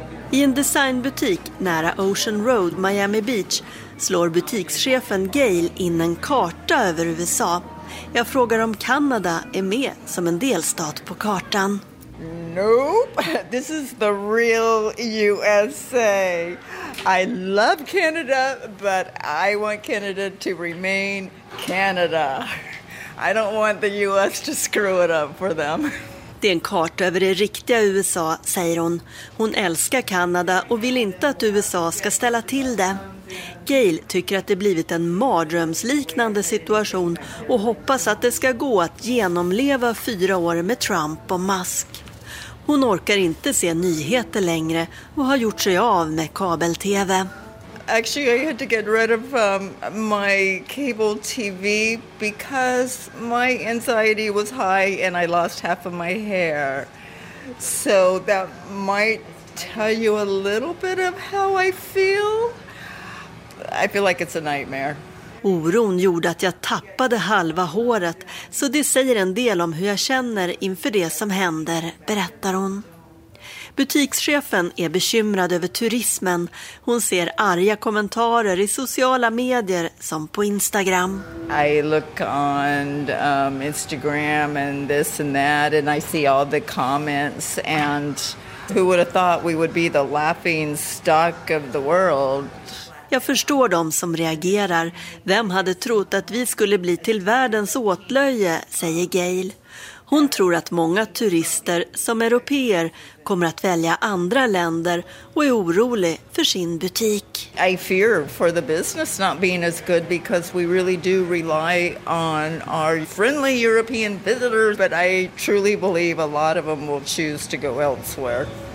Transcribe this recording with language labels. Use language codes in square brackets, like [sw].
[sv] I en designbutik nära Ocean Road, Miami Beach, slår butikschefen Gail in en karta över USA. Jag frågar om Kanada är med som en delstat på kartan. [en] Nope, this is the real USA. I love Canada, but I want Canada to remain Canada. I don't want the US to screw it up for them. [sv] Det är en karta över det riktiga USA, säger hon. Hon älskar Kanada och vill inte att USA ska ställa till det. Gail tycker att det blivit en mardrömsliknande situation och hoppas att det ska gå att genomleva 4 år med Trump och Musk. Hon orkar inte se nyheter längre och har gjort sig av med kabel-tv. [en] Actually, I had to get rid of my cable TV because my anxiety was high and I lost half of my hair. So that might tell you a little bit of how I feel. I feel like it's a nightmare. [sv] Oron gjorde att jag tappade halva håret, så det säger en del om hur jag känner inför det som händer, berättar hon. Butikschefen är bekymrad över turismen. Hon ser arga kommentarer i sociala medier som på Instagram. [en] I look on Instagram and this and that and I see all the comments, and who would have thought we would be the laughing stock of the world. [sv] Jag förstår dem som reagerar. Vem hade trott att vi skulle bli till världens åtlöje, säger Gail. Hon tror att många turister som europeer kommer att välja andra länder och är orolig för sin butik. [en] I fear for the business not being as good because we really do rely on our friendly European visitors, but I truly believe a lot of them will choose to go elsewhere.